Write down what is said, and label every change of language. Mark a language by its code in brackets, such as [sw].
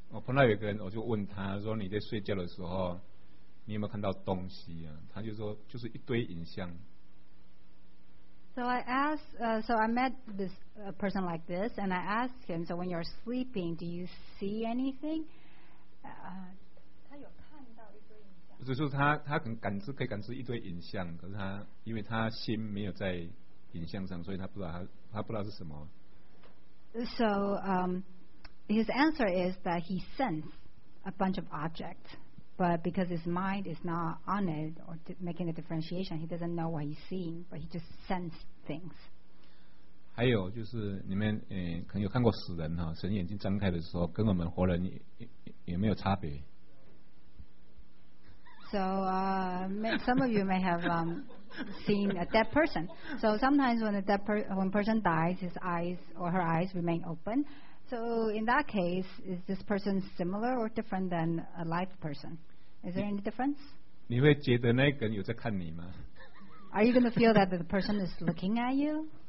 [zh] 那有一个人，我就问他说：“你在睡觉的时候，你有没有看到东西啊？” 他就说：“就是一堆影像。” [en] So I asked, so I met this person like this, and I asked him, so when you're sleeping, do you see anything? [zh] 他有看到一堆影像。不是，就是他很感知，可以感知一堆影像，可是他因为他心没有在影像上，所以他不知道他不知道是什么。 [en] So His answer is that he senses a bunch of objects, but because his mind is not on it or making a differentiation, he doesn't know what he's seeing, but he just senses things. [zh] 还有就是你们可能有看过死人哈，神眼睛张开的时候，跟我们活人有没有差别？ [en] So some of you may have seen a dead person. So sometimes when when a person dies, his eyes or her eyes remain open. So in that case, is this person similar or different than a live person? Is there any difference? [zh] 你会觉得那个人有在看你吗？ [en] Are you going to feel that the person is looking at you?